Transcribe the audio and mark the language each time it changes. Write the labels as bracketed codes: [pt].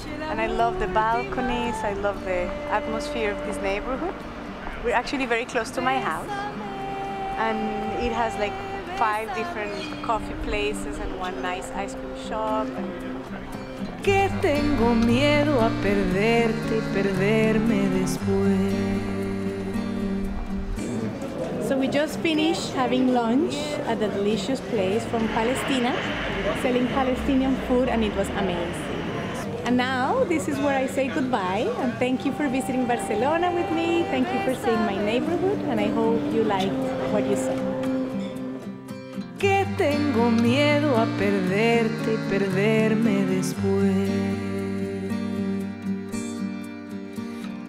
[en] And I love the balconies, I love the atmosphere of this neighborhood. We're actually very close to my house, and it has like five different coffee places and one nice ice cream shop. [es] Que tengo miedo a perderte y perderme después. [en] So we just finished having lunch at a delicious place from Palestina, selling Palestinian food, and it was amazing. And now, this is where I say goodbye, and thank you for visiting Barcelona with me. Thank you for seeing my neighborhood, and I hope you liked what you saw. [es] Que tengo miedo a perderte y perderme después.